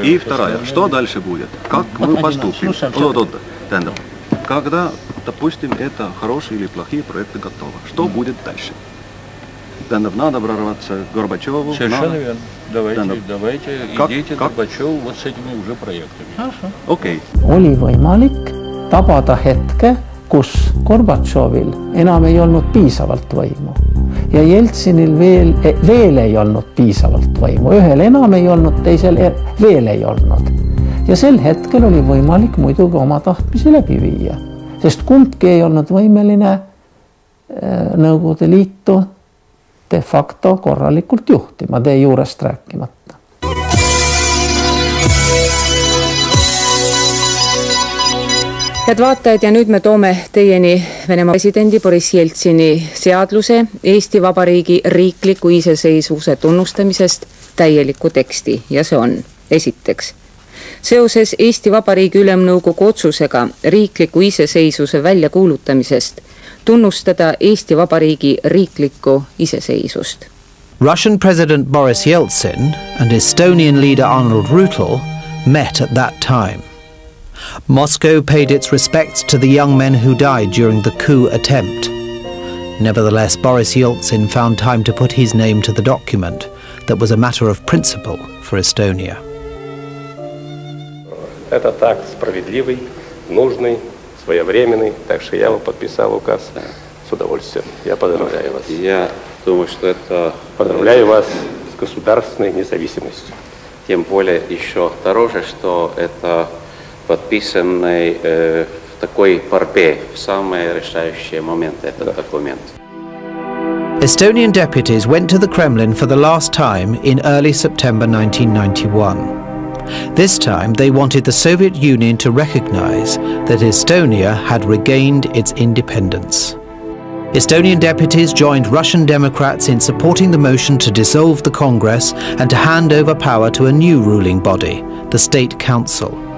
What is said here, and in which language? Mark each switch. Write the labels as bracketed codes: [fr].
[ru] И вторая. Что дальше будет? Как вот мы поступим? Слушаем. Когда, допустим, это хорошие или плохие проекты готовы, что будет дальше? Тендер, надо прорваться к Горбачеву. Совершенно надо. Верно. Давайте. Идите к Горбачеву вот с этими уже проектами. Хорошо. Окей. [et] Oli võimalik tabada hetke, kus Gorbatšovil enam ei olnud piisavalt võimu. Ja Jeltsinil veel ei olnud piisavalt võimu. Ühel enam ei olnud, teisel veel ei olnud. Ja sel hetkel oli võimalik muidugi oma tahtmisi läbi viia. Sest kumbki ei olnud võimeline Nõukogude Liitu de facto korralikult juhtima, tee juurest rääkimata. Head vaatajad, ja nüüd me toome teieni Venemaa presidendi Boris Jeltsini seadluse Eesti Vabariigi riikliku iseseisvuse tunnustamisest täieliku teksti. Ja see on esiteks. Seoses Eesti Vabariigi ülemnõukogu otsusega riikliku iseseisvuse välja kuulutamisest tunnustada Eesti Vabariigi riikliku iseseisvust. [en] Russian president Boris Jeltsin and Estonian leader Arnold Rüütel met at that time. Moscow paid its respects to the young men who died during the coup attempt. Nevertheless, Boris Jeltsin found time to put his name to the document that was a matter of principle for Estonia. [ru] Этот акт справедливый, нужный, своевременный, так что я подписал указ с удовольствием. Я поздравляю вас. Я думаю, что это... Поздравляю вас с государственной независимостью. Тем более еще дороже, что это... подписанный в такой парпей в самые решающие моменты этот документ. [en] Estonian deputies went to the Kremlin for the last time in early September 1991. This time they wanted the Soviet Union to recognize that Estonia had regained its independence. Estonian deputies joined Russian Democrats in supporting the motion to dissolve the Congress and to hand over power to a new ruling body, the State Council.